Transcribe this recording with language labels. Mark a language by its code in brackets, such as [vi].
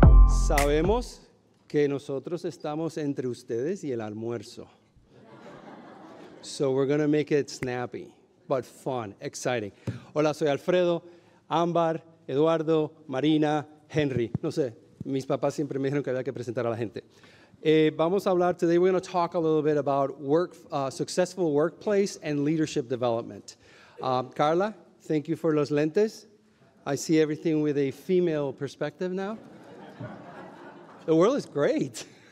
[es] Sabemos que nosotros estamos entre ustedes y el almuerzo. [en] So we're going to make it snappy, but fun, exciting. [es] Hola, soy Alfredo, Ambar, Eduardo, Marina, Henry. No sé, mis papás siempre me dijeron que había que presentar a la gente. Vamos a hablar, [en] today we're going to talk a little bit about work, successful workplace and leadership development. Carla, thank you for [es] los lentes. [en] I see everything with a female perspective now. The world is great.